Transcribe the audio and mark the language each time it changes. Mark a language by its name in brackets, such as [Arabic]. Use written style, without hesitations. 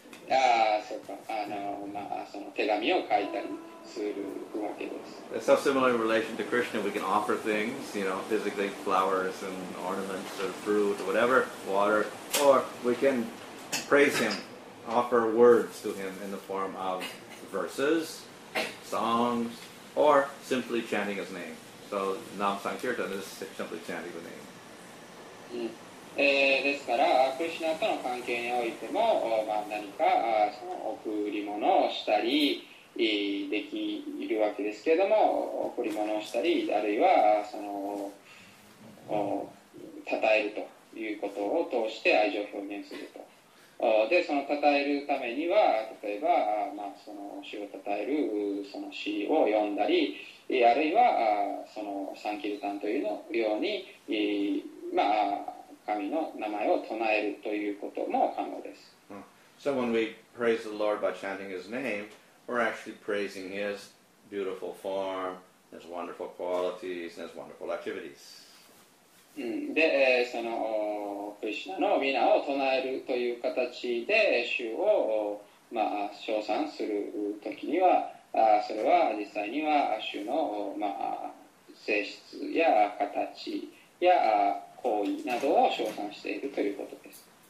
[Japanese] ああ、そうか、手紙を書いたりするわけです。 [English] So similar in relation to Krishna, we can offer things, you know, physically flowers and ornaments or fruit or whatever, water, or we can praise him. Offer words to him in the form of verses, songs, or simply chanting his name. So, Nam Sankirtan is simply chanting the name. [Japanese] ですから、クリシナとの関係においても、何か贈り物をしたりできるわけですけども、贈り物をしたり、あるいは、称えるということを通して愛情を表現すると。で、その称えるためには、例えば、まあ、その詩を称えるその詩を読んだり、あるいは、そのサンキルタンというのように、まあ、神の名前を唱えるということも可能です。 [English] So when we praise the Lord by chanting His name, we're actually praising His beautiful form, His wonderful qualities, and His wonderful activities. [Japanese] で、そのクリシナの皆を唱えるという形で主を、まあ、称賛するときにはそれは実際には主の、まあ、性質や形や行為などを称賛しているということです。